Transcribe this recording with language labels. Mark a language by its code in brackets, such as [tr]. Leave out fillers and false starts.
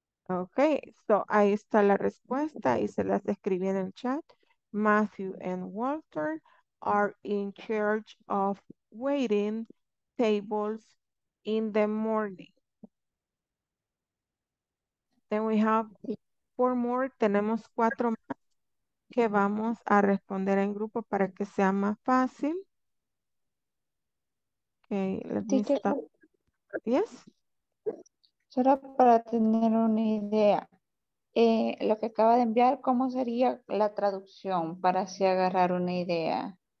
[es] Okay, so ahí está la respuesta y se las escribí en el chat. [en] Matthew and Walter are in charge of waiting tables in the morning. Then we have four more. [es] Tenemos cuatro más que vamos a responder en grupo para que sea más fácil. [en] Okay, let me stop. Yes. [es] Solo para tener una idea, lo que acaba de enviar, ¿cómo sería la traducción para así agarrar una idea?